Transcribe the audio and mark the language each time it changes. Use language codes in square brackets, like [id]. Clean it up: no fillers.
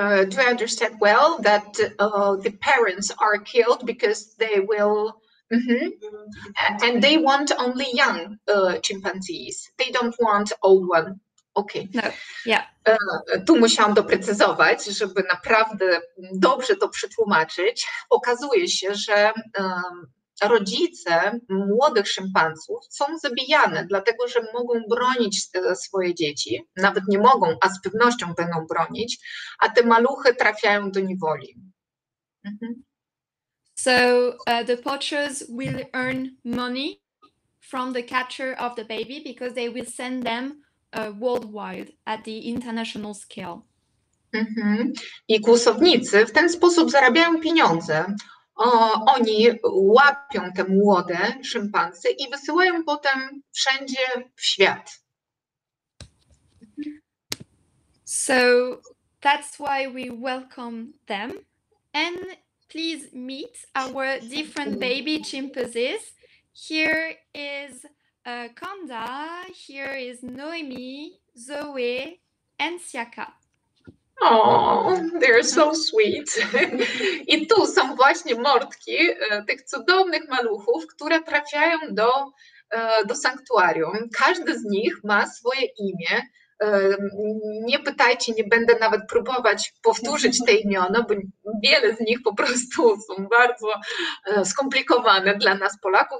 [en] Do I understand well that the parents are killed because they will and they want only young chimpanzees, they don't want old one. Okay. No. Yeah. [pl] Tu musiałam doprecyzować, żeby naprawdę dobrze to przetłumaczyć. Okazuje się, że rodzice młodych szympansów są zabijane, dlatego że mogą bronić swoje dzieci, nawet nie mogą, a z pewnością będą bronić, a te maluchy trafiają do niewoli. [en] So the poachers will earn money from the capture of the baby because they will send them worldwide at the international scale. [pl] I kłusownicy w ten sposób zarabiają pieniądze. Oni łapią te młode szympansy i wysyłają potem wszędzie w świat. [en] So That's why we welcome them. And please meet our different baby chimpanzees. Here is Kanda, here is Noemi, Zoe, and Siaka. Oh, they're so sweet. [pl] I tu są właśnie mordki tych cudownych maluchów, które trafiają do sanktuarium. Każdy z nich ma swoje imię. Nie pytajcie, nie będę nawet próbować powtórzyć te imiona, bo wiele z nich po prostu są bardzo skomplikowane dla nas Polaków.